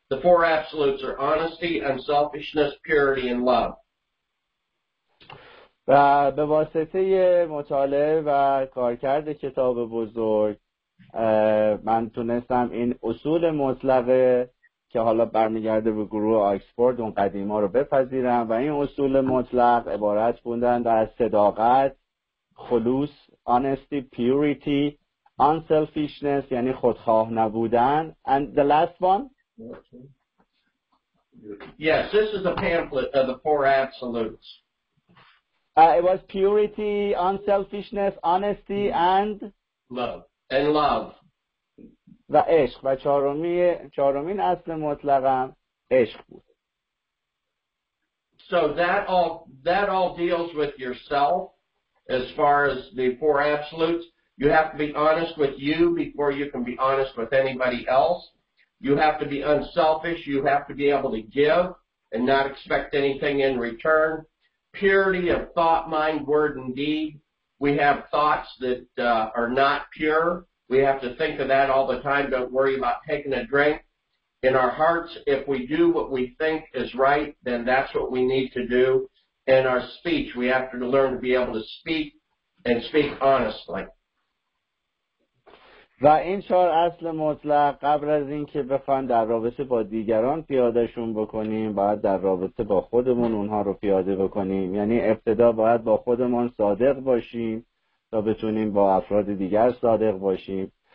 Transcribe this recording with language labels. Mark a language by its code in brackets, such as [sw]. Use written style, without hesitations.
[en] The four absolutes are honesty, unselfishness, purity, and love. [fa] و به واسطه مطالعه و کارکرد کتاب بزرگ من تونستم این اصول مطلقه که حالا برمیگرده به گروه آکسفورد اون قدیما رو بپذیرم، و این اصول مطلق عبارت بودند از صداقت، خلوص، [en] honesty, purity, unselfishness [fa] یعنی خودخواه نبودن. [en] And the last one? Yes, this is a pamphlet of the four absolutes. It was purity, unselfishness, honesty, and love. And love. [fa] و عشق و چهارمین اصل مطلقم عشق بود. [en] So that all deals with yourself as far as the four absolutes. You have to be honest with you before you can be honest with anybody else. You have to be unselfish. You have to be able to give and not expect anything in return. Purity of thought, mind, word, and deed. We have thoughts that are not pure. We have to think of that all the time. Don't worry about taking a drink. In our hearts, if we do what we think is right, then that's what we need to do. In our speech, we have to learn to be able to speak and speak honestly. [fa] و این چهار اصل مطلق قبل از اینکه بخوایم در رابطه با دیگران پیادهشون بکنیم باید در رابطه با خودمون اونها رو پیاده بکنیم. یعنی ابتدا باید با خودمون صادق باشیم تا بتونیم با افراد دیگر صادق باشیم.